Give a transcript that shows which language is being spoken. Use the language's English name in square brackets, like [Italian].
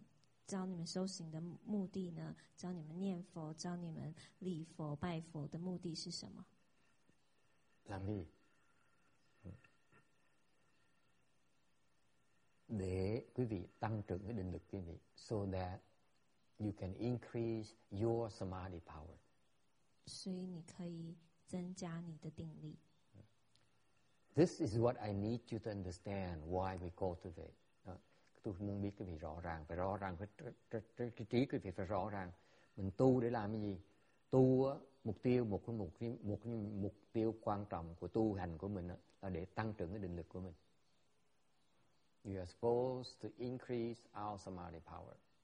[Chinese] 所以我解释给你们听，我要教你们修行的目的呢？教你们念佛， 教你们礼佛， 拜佛的目的是什么？让你 [Vietnamese] để quý vị tăng trưởng cái định lực quý vị, [English] so that you can increase your samadhi power. [Chinese] 所以你可以增加你的定力。 [English] This is what I need you to understand why we cultivate. [Vietnamese] Tôi muốn biết cái gì rõ ràng, cái trí cái gì phải rõ ràng. Mình tu để làm cái gì? Tu mục tiêu một mục tiêu quan trọng của tu hành của mình là để tăng trưởng cái định lực của mình. [English] We are supposed to increase our samadhi power.